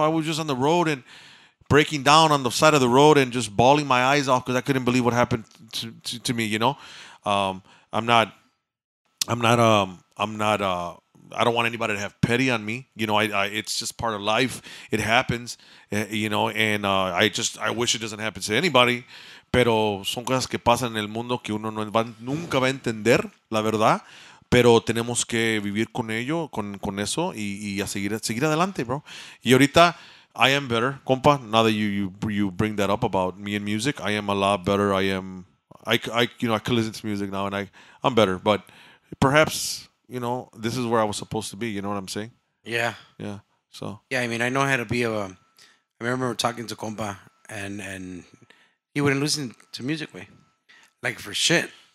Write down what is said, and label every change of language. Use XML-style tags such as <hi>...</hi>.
<en>I was just on the road and breaking down on the side of the road and just bawling my eyes off because I couldn't believe what happened to me, you know? I don't want anybody to have pity on me. You know, I it's just part of life. It happens, you know, and I wish it doesn't happen to anybody.</en> <es>Pero son cosas que pasan en el mundo que uno nunca va a entender, la verdad. Pero tenemos que vivir con ello, con eso, y a seguir adelante, bro. Y ahorita,</es> <en>I am better, compa, now that you bring that up about me and music, I am a lot better. I can listen to music now, and I'm better. But perhaps, you know, this is where I was supposed to be, you know what I'm saying? Yeah. Yeah, so. Yeah, I mean, I know how to be I remember talking to compa, and he wouldn't listen to music, way. Like, for shit.</en>